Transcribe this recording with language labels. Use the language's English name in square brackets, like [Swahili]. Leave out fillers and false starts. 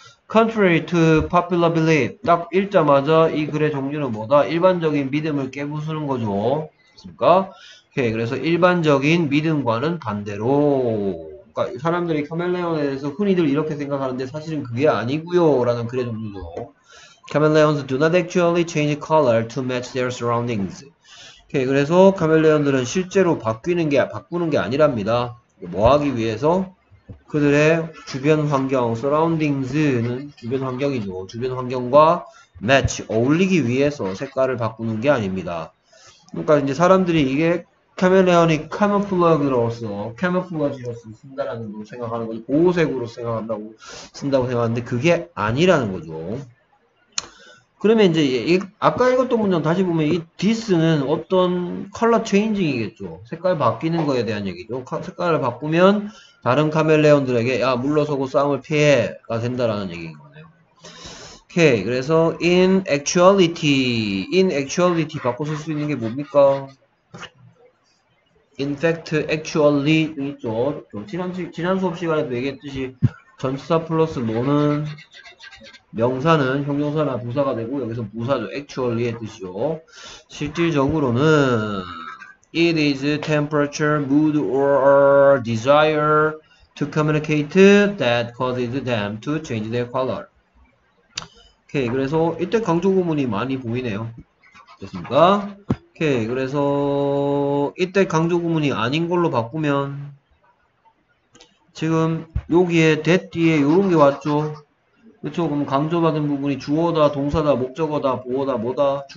[English] Contrary to popular belief, [Korean] 딱 읽자마자 이 글의 종류는 뭐다? 일반적인 믿음을 깨부수는 거죠. 그렇습니까? 오케이, 그래서 일반적인 믿음과는 반대로. 그러니까 사람들이 카멜레온에 대해서 흔히들 이렇게 생각하는데 사실은 그게 아니구요라는 글의 종류죠. [English] Chameleons do not actually change color to match their surroundings. [Korean] 오케이, 그래서 카멜레온들은 실제로 바꾸는 게 아니랍니다. 뭐 하기 위해서? 그들의 주변 환경, surroundings는 주변 환경이죠. 주변 환경과 match, 어울리기 위해서 색깔을 바꾸는 게 아닙니다. 그러니까 이제 사람들이 이게 카멜레온이 카모플라그로서 카모플라지로서 쓴다라는 걸 생각하는 거지, 보호색으로 쓴다고 생각하는데 그게 아니라는 거죠. 그러면 이제 아까 읽었던 문장 다시 보면 이 디스는 어떤 컬러 체인징이겠죠. 색깔 바뀌는 거에 대한 얘기죠. 색깔을 바꾸면 다른 카멜레온들에게 야 물러서고 싸움을 피해가 된다라는 얘기인 거예요. 오케이, 그래서 [English] in actuality [Korean] 바꿔 쓸수 있는 게 뭡니까? [English] In fact, actually 있죠. [Korean] 지난 수업 시간에도 얘기했듯이 전치사 플러스 노는 명사는 형용사나 부사가 되고 여기서 부사죠. actually의 뜻이요. 실질적으로는 [English] it is temperature, mood or desire to communicate that causes them to change their color. [Korean] 오케이, 그래서 이때 강조 구문이 많이 보이네요. 됐습니까? 오케이, 그래서 이때 강조 구문이 아닌 걸로 바꾸면 지금 여기에 that 뒤에 요런 게 왔죠. 그쵸? 그럼 강조받은 부분이 주어다, 동사다, 목적어다, 보어다, 뭐다?